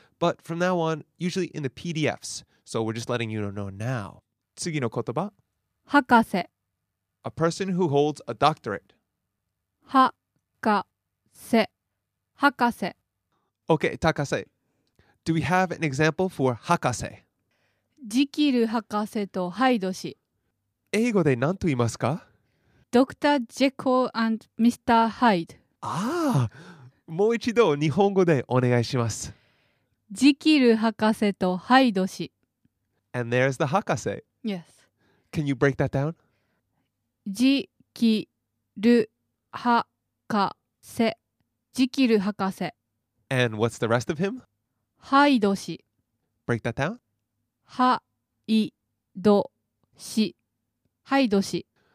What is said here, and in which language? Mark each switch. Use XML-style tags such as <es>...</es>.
<en>But from now on, usually in the PDFs. So we're just letting you know now.</en> <ja>次の言葉。博士。</ja> <en>A person who holds a doctorate.</en> <ja>博士。博士。</ja> <en>Okay, 高瀬。 Do we have an example for 博士?</en> <ja>ジキル博士とハイド氏。英語で何と言いますか?</ja> <en>Dr. Jekyll and Mr. Hyde.</en> <ja>ああ、もう一度日本語でお願いします。ジキル博士とハイド氏。</ja> <en>And there's the 博士。 Yes. Can you break that down?</en> <ja>ジキル博士。ジキル博士。</ja> <en>And what's the rest of him?</en> <ja>ハイド氏</ja> <en>Break that down.</en> <ja>ハイド氏ハイド氏</ja>